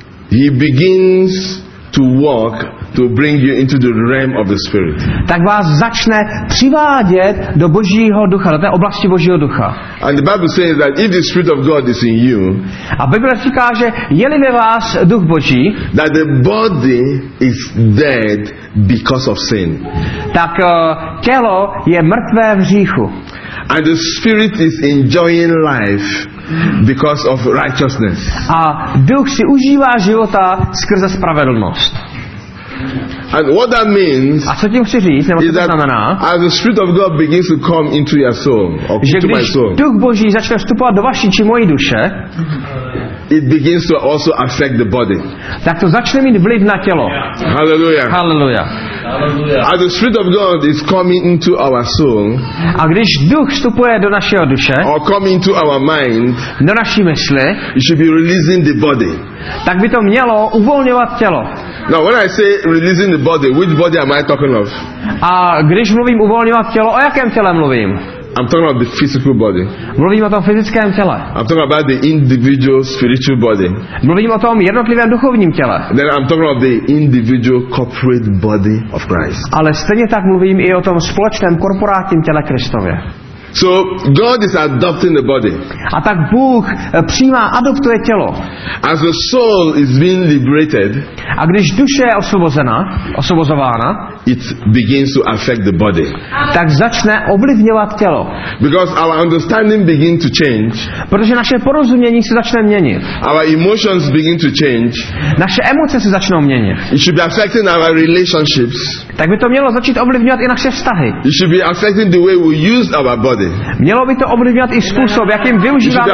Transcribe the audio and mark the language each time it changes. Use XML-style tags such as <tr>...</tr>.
<en>He begins to walk to bring you into the realm of the Spirit.</en> <cs>Tak vás začne přivádět do Božího ducha, do té oblasti Božího ducha.</cs> <en>And the Bible says that if the Spirit of God is in you.</en> <cs>A Bible říká, že je-li ve vás Duch Boží.</cs> <en>That the body is dead because of sin.</en> <cs>Tak tělo je mrtvé v hříchu.</cs> <en>And the spirit is enjoying life because of righteousness.</en> <cs>A duch si užívá života skrze spravedlnost.</cs> <en>And what that means</en> <cs>a co tím chci říct, nebo</cs> <en>is that</en> <cs>znamená,</cs> <en>as the Spirit of God begins to come into your soul, or</en> <cs>že</cs> <en>into my soul,</en> <cs>duch Boží začne vstupovat do vaší či mojí duše,</cs> <en>it begins to also affect the body.</en> <cs>Tak to začne mít vliv na tělo.</cs> <en>Hallelujah.</en> <cs>Hallelujah.</cs> <en>As the Spirit of God is coming into our soul,</en> <cs>a když duch vstupuje do našeho duše,</cs> <en>or coming into our mind,</en> <cs>do naší mysli,</cs> <en>it should be releasing the body.</en> <cs>Tak by to mělo uvolňovat tělo.</cs> <en>Now when I say releasing the body, which body am I talking of?</en> <cs>A když mluvím uvolňovat tělo, o jakém těle mluvím?</cs> <en>I'm talking about the physical body.</en> <cs>Mluvím o tom fyzickém těle.</cs> <en>I'm talking about the individual spiritual body.</en> <cs>Mluvím o tom jednotlivém duchovním těle.</cs> <en>Then I'm talking about the individual corporate body of Christ.</en> <cs>Ale stejně tak mluvím i o tom společném korporátním těle Kristově.</cs> <en>So God is adopting the body.</en> <cs>A tak Bůh přijímá, adoptuje tělo.</cs> <en>As the soul is being liberated,</en> <cs>a když duše je osvobozena, osvobozována,</cs> <en>it begins to affect the body.</en> <cs>Tak začne ovlivňovat tělo.</cs> <en>Because our understanding begin to change.</en> <cs>Protože naše porozumění se začne měnit.</cs> <en>Our emotions begin to change.</en> <cs>Naše emoce se začnou měnit.</cs> <en>It should be affecting our relationships.</en> <cs>Tak by to mělo začít ovlivňovat i naše vztahy.</cs> <en>It should be affecting the way we use our body.</en> <cs>Mělo by to ovlivňovat i způsob, jakým využíváme</cs>